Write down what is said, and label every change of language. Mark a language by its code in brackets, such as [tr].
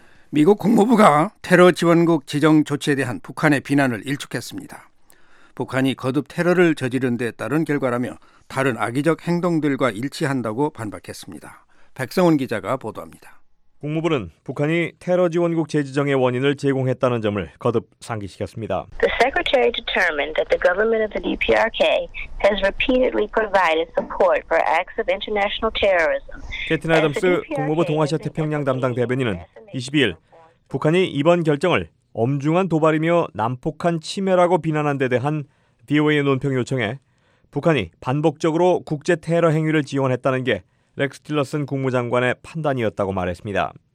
[ko] 미국 국무부가 테러 지원국 지정 조치에 대한 북한의 비난을 일축했습니다. 북한이 거듭 테러를 저지른 데 따른 결과라며 다른 악의적 행동들과 일치한다고 반박했습니다. 백성훈 기자가 보도합니다. 국무부는 북한이 테러 지원국 재지정의 원인을 제공했다는 점을 거듭 상기시켰습니다. [en] The secretary determined that the government of the DPRK has repeatedly provided support for acts of international terrorism. [ko] 캐티 애덤스 국무부 동아시아 태평양 담당 대변인은 22일 북한이 이번 결정을 엄중한 도발이며 난폭한 침해라고 비난한 데 대한 VOA의 논평 요청에 북한이 반복적으로 국제 테러 행위를 지원했다는 게 렉스 틸러슨 국무장관의 판단이었다고 말했습니다.